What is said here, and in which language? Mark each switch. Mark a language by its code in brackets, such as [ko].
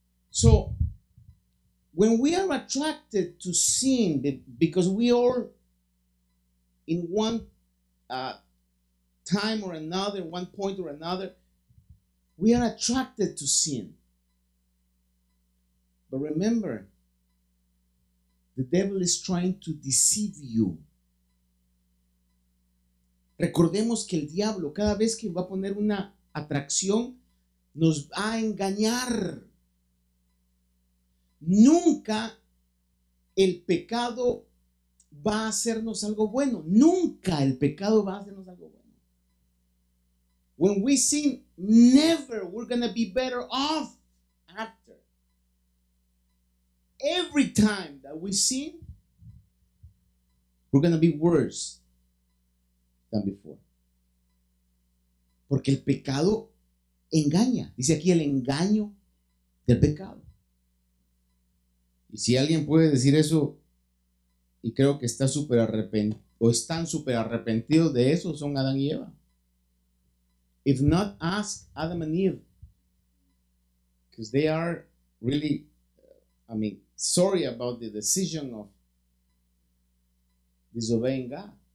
[en] So when we are attracted to sin, because we are in one time or another, one point or another, we are attracted to sin. But remember, the devil is trying to deceive you. [es] Recordemos que el diablo, cada vez que va a poner una atracción, nos va a engañar. Nunca el pecado va a hacernos algo bueno. Nunca el pecado va a hacernos algo bueno. [en] When we sin, never we're going to be better off after. Every time that we sin, we're going to be worse than before. [es] Porque el pecado engaña. Dice aquí el engaño del pecado. Y si alguien puede decir eso, y creo que está súper arrepentido, o están súper arrepentidos de eso, son Adán y Eva. [en] If not, ask Adam and Eve. Because they are really, I mean, sorry about the decision of disobeying God.